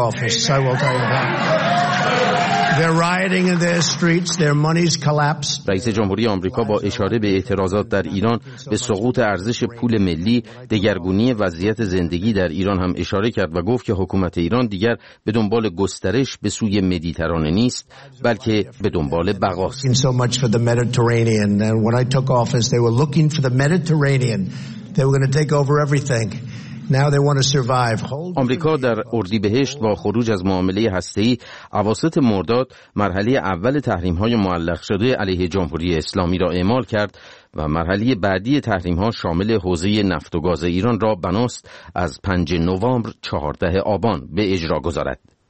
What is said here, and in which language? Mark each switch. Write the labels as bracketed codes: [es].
[en] They're rioting in their streets, their money's collapsed. [fa] رئیس جمهوری آمریکا با اشاره به اعتراضات در ایران به سقوط ارزش پول ملی، دگرگونی وضعیت زندگی در ایران هم اشاره کرد و گفت که حکومت ایران دیگر به دنبال گسترش به سوی مدیترانه نیست، بلکه به دنبال بقاست. [en] So much for the Mediterranean. And when I took office, they were looking for the Mediterranean. They were going to take over everything. Now they want to survive. [fa] آمریکا در اردیبهشت با خروج از معامله هسته‌ای اواسط مرداد مرحله اول تحریم‌های معلق شده علیه جمهوری اسلامی را اعمال کرد و مرحله بعدی تحریم‌ها شامل حوزه نفت و گاز ایران را بناست از 5 نوامبر 14 آبان به اجرا گذارد.